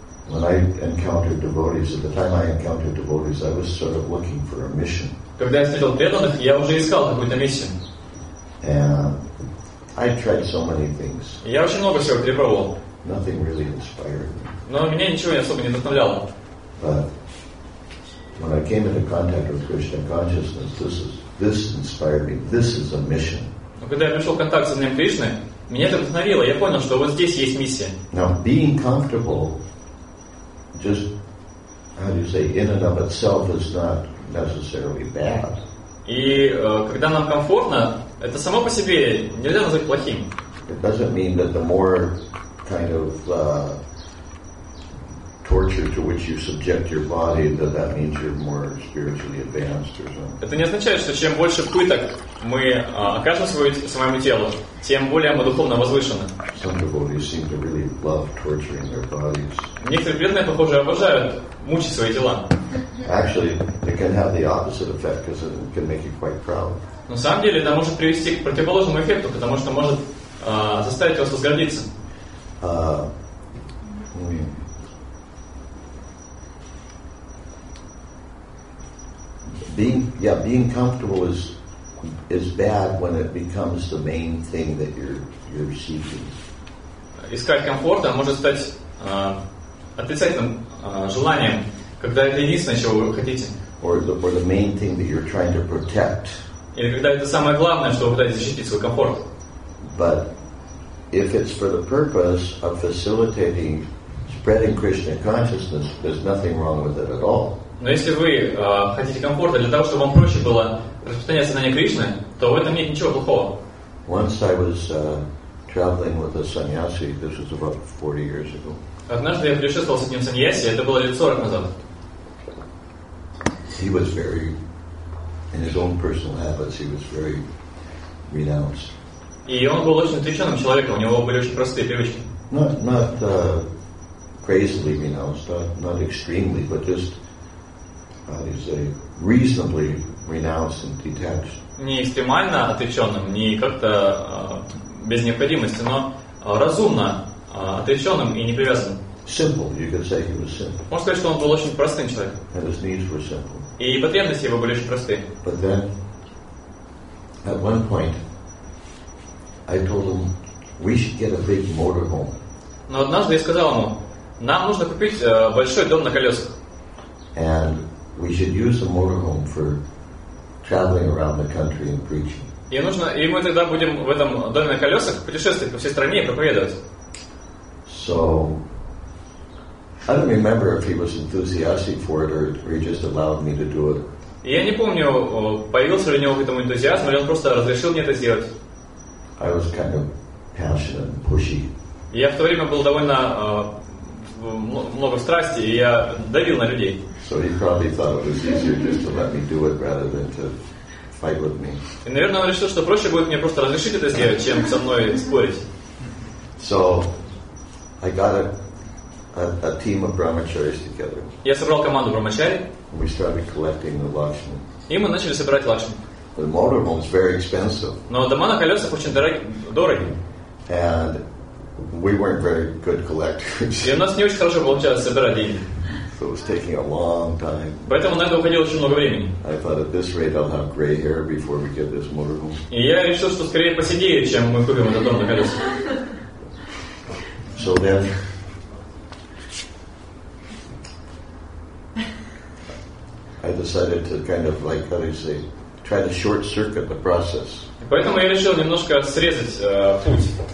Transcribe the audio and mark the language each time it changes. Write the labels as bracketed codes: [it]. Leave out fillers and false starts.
[en] When I encountered devotees, at the time I encountered devotees, I was sort of looking for a mission. [ru] Когда я встретил преданных, я уже искал какую-то миссию. [en] And I tried so many things. [ru] Я очень много всего перепробовал. [en] Nothing really inspired me. [ru] Но меня ничего особо не вдохновляло. [en] But when I came into contact with Krishna consciousness, this inspired me. This is a mission. [ru] Когда я пришел в контакт с сознанием Кришны, меня это вдохновило. Я понял, что вот здесь есть миссия. [en] Now, being comfortable, just how do you say, in and of itself, is not necessarily bad. [ru] И когда нам комфортно, это само по себе нельзя назвать плохим. [en] It doesn't mean that the more kind of torture to which you subject your body, that means you're more spiritually advanced or something. [ru] Это не означает, что чем больше пыток мы окажем своему телу, тем более мы духовно возвышены. [en] Some devotees seem to really love torturing their bodies. [ru] Некоторые преданные, похоже, обожают мучить свои тела. [en] Actually, it can have the opposite effect because it can make you quite proud. [ru] На самом деле, это может привести к противоположному эффекту, потому что может заставить вас возгордиться. [en] Being comfortable is bad when it becomes the main thing that you're seeking. [ru] Искать комфорта может стать отрицательным желанием, когда это единственное, чего вы хотите. [en] Or the main thing that you're trying to protect. [ru] Или когда это самое главное, что вы пытаетесь защитить свой комфорт. [en] But if it's for the purpose of facilitating spreading Krishna consciousness, there's nothing wrong with it at all. [ru] Но если вы хотите комфорта для того, чтобы вам проще было распространять сознание Кришны, то в этом нет ничего плохого. [en] Once I was traveling with a sannyasi, this was about 40 years ago. [ru] Однажды я путешествовал с одним саньяси, это было лет 40 назад. [en] He was very, in his own personal habits, he was very renounced. [ru] И он был очень отвлеченным человеком, у него были очень простые привычки. [en] Not crazily renounced, not extremely, but just how do you say, reasonably renounced and detached. [ru] Не экстремально отвлеченным, не как-то без необходимости, но разумно отвлеченным и непривязанным. [en] Simple, you could say he was simple. [ru] Можно сказать, что он был очень простым человеком. [en] And his needs were simple. [ru] И потребности его были очень просты. [en] But then, at one point, I told him, we should get a big motorhome. [ru] Но однажды я сказал ему, нам нужно купить большой дом на колесах. [en] And we should use the motorhome for traveling around the country and preaching. [ru] И нужно, и мы тогда будем в этом доме на колесах путешествовать по всей стране и проповедовать. [en] So, I don't remember if he was enthusiastic for it or he just allowed me to do it. [ru] Я не помню, появился ли у него к этому энтузиазм или он просто разрешил мне это сделать. [en] I was kind of passionate and pushy. [ru] Я в то время был довольно много страсти, и я давил на людей. [en] So he probably thought it was easier just to let me do it rather than to fight with me. [ru] И, наверное, он решил, что проще будет мне просто разрешить это сделать, чем со мной спорить. [en] So I got a a team of brahmacharis together. [ru] Я собрал команду брахмачари. [en] We started collecting the lakshmi. [ru] И мы начали собирать лакшми. [en] The motorhome is very expensive. [ru] Но дома на колесах очень дороги. [en] And we weren't very good collectors. [ru] И у нас не очень хорошо получалось собирать деньги. [en] So it was taking a long time. [ru] Поэтому на это уходило очень много времени. [en] I thought at this rate I'll have gray hair before we get this motorhome. [ru] И я решил, что скорее поседею, чем мы купим этот дом на колесах. [en] So then I decided to kind of like, how do you say, try to short-circuit the process. [ru] Поэтому я решил немножко срезать путь.